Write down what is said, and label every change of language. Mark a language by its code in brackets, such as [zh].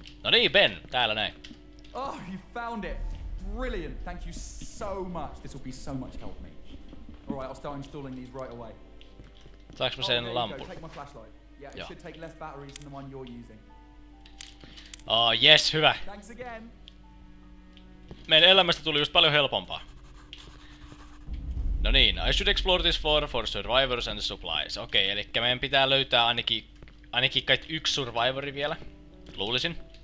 [fi] No niin, Ben, täällä näin. [en] Oh, you found it. Brilliant. Thank you so much. This will be so much help me. All right, I'll start installing these right away. [fi] Saanko mä sen lampun? [en] Take my flashlight. Yeah, it should take less batteries than the one you're using. Oh, yes, hyvä. Thanks again. [fi] Meidän elämästä tuli just paljon helpompaa. No niin, [en] I should explore this for survivors and supplies. [fi] Okei, elikkä meidän pitää löytää ainakin kai yksi survivori vielä. Luulisin.